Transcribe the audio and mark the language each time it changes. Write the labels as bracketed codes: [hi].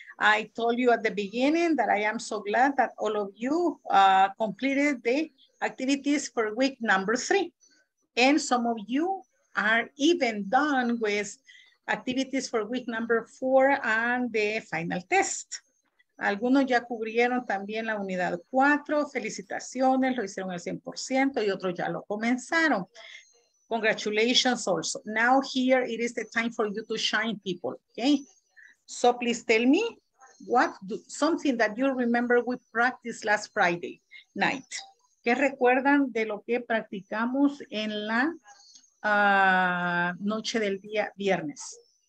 [en] I told you at the beginning that I am so glad that all of you completed the activities for week number 3. And some of you are even done with activities for week number 4 and the final test. [es] Algunos ya cubrieron también la unidad 4, felicitaciones, lo hicieron al 100% y otros ya lo comenzaron. [en] Congratulations also. Now here it is the time for you to shine, people, okay? So please tell me what do, something that you remember we practiced last Friday night. [es] ¿Qué recuerdan de lo que practicamos en la noche del día viernes?